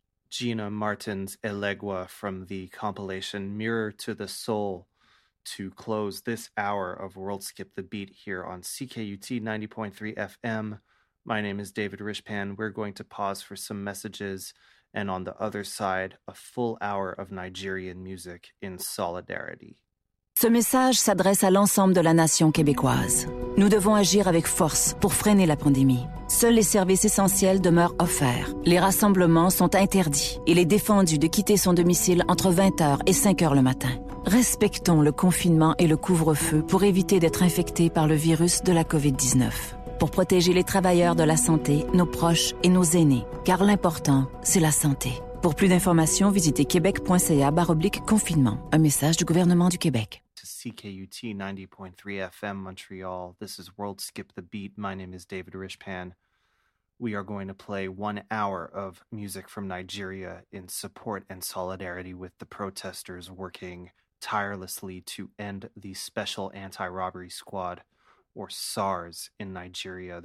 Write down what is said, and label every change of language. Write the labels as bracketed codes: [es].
[en] Gina Martin's Elegua from the compilation Mirror to the Soul to close this hour of World Skip the Beat here on CKUT 90.3 FM. My name is David Rishpan. We're going to pause for some messages, and on the other side, a full hour of Nigerian music in solidarity. [fr] Ce message s'adresse à l'ensemble de la nation québécoise. Nous devons agir avec force pour freiner la pandémie. Seuls les services essentiels demeurent offerts. Les rassemblements sont interdits. Il est défendu de quitter son domicile entre 20h et 5h le matin. Respectons le confinement et le couvre-feu pour éviter d'être infectés par le virus de la COVID-19. Pour protéger les travailleurs de la santé, nos proches et nos aînés. Car l'important, c'est la santé. Pour plus d'informations, visitez québec.ca/confinement. Un message du gouvernement du Québec. [en] CKUT 90.3 FM Montreal. This is World Skip the Beat. My name is David Rishpan. We are going to play 1 hour of music from Nigeria in support and solidarity with the protesters working tirelessly to end the Special Anti-Robbery Squad, or SARS, in Nigeria.